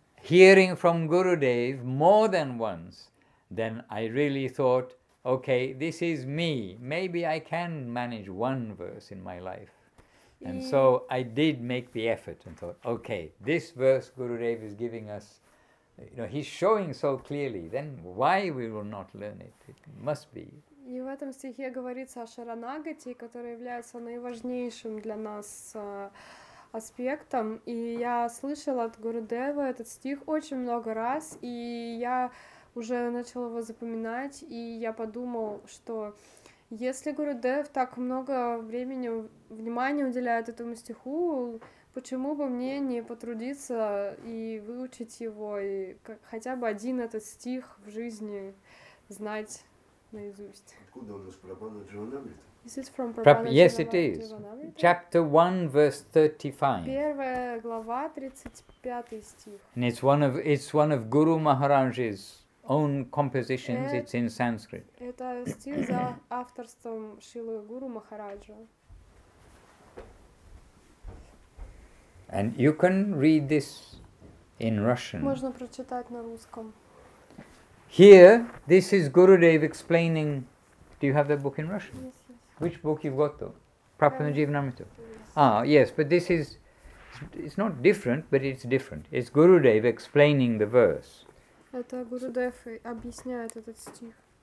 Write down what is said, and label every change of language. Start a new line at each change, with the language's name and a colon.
English: Hearing from Gurudev more than once, then I really thought, okay, this is me. Maybe I can manage one verse in my life. And so I did make the effort and thought, okay, this verse Gurudev is giving us, you know, he's showing so clearly, then why we will not learn it? It must be.
Russian: И в этом стихе говорится о Шаранагати, который является наиважнейшим для нас аспектом. И я слышала от Гурудева этот стих очень много раз, и я уже начал его запоминать, и я подумал, что если Гурудев так много времени, внимания уделяет этому стиху, почему бы мне не потрудиться и выучить его, и хотя бы один этот стих в жизни знать наизусть. Откуда у нас Прабхана Джаванамрита?
English: Is it from Prabhupada Jivanamrita? Yes, it is. Chapter 1, verse 35.
Russian: Первая глава, 35 стих.
English: And it's one of Guru Maharaj's own compositions, it's in Sanskrit.
Russian: Это стих за авторством Шилы Гуру Махараджа.
English: And you can read this in Russian.
Russian: Можно прочитать на русском.
English: Here, this is Gurudev explaining. Do you have the book in Russian? Yes. Which book you've got though? Prabhupada Jivanamrita. Yes. Ah, yes, but this is, it's not different, but it's different. It's Gurudev explaining the verse.
Russian: Это Гурудев объясняет этот стих.